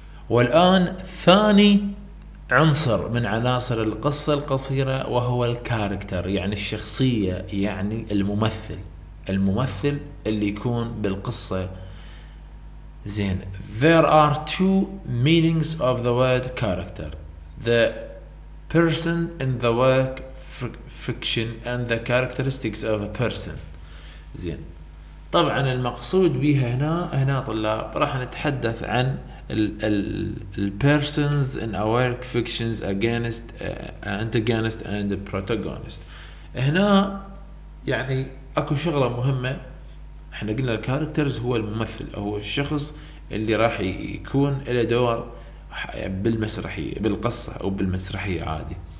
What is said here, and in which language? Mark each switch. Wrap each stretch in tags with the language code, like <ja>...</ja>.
<ar>والآن ثاني عنصر من عناصر القصة القصيرة وهو الكاركتر، يعني الشخصية، يعني الممثل، الممثل اللي يكون بالقصة.</ar> <en>زين، there are two meanings of the word character: the person in the work fiction and the characteristics of a person.</en> <ar>زين، طبعا المقصود بها هنا، هنا طلاب راح نتحدث عن ال</ar> <en>persons in a work fictions against antagonist and protagonist.</en> <ar>هنا يعني اكو شغلة مهمة، احنا قلنا الكاركترز هو الممثل، هو الشخص اللي راح يكون له دور بالمسرحية، بالقصة او بالمسرحية عادي.</ar>